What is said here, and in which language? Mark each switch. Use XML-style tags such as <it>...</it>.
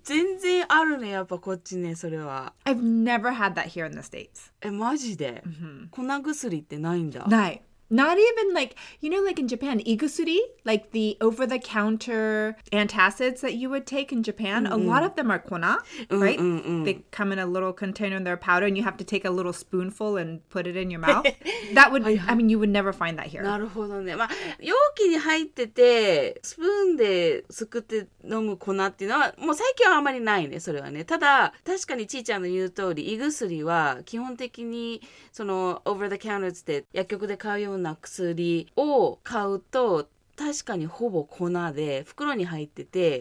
<ja>全然あるね、やっぱこっちね、それは。</ja> <en>I've never had that here in the States.</en> <ja>え、マジで？粉薬ってないんだ。ない。</ja> <en>Not even like, you know, like in Japan, igusuri, like the over-the-counter antacids that you would take in Japan, a lot of them are kona, right? They come in a little container and they're powder and you have to take a little spoonful and put it in your mouth. That would, I mean, you would never find that here.</en> <ja>なるほどね。まあ、容器に入ってて、スプーンですくって飲む粉っていうのは、もう最近はあまりないね、それはね。ただ、確かにちーちゃんの言う通り、igusuriは基本的にその</ja> <en>over-the-counters</en> <ja>で薬局で買うような薬を買うと確かにほぼ粉で袋に入ってて、</ja>